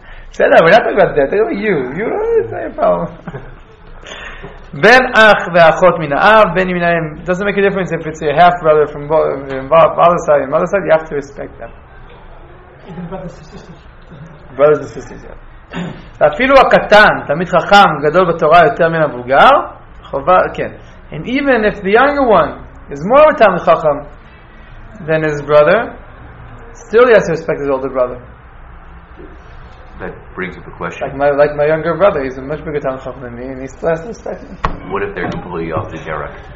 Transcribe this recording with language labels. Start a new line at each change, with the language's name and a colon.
English: Shut up, we're not talking about that, talking about you. It's not your problem.
Hebrew: Ben ach v'achot min ha'av, ben yiminayim.
English: Doesn't make a difference if it's your half brother from father's side and mother's side, you have to respect them. Even brothers and sisters. Brothers and sisters, yeah.
Hebrew: ואפילו הקטן, תמיד חכם, גדול בתורה יותר מן הבוגר, חובה, כן.
English: And even if the younger one is more of a תמיד חכם than his brother, still he has to respect his older brother. That brings up a question. Like my younger brother, he's a much bigger tamid chacham than me, and he still has to respect me. What if they're completely off the derek?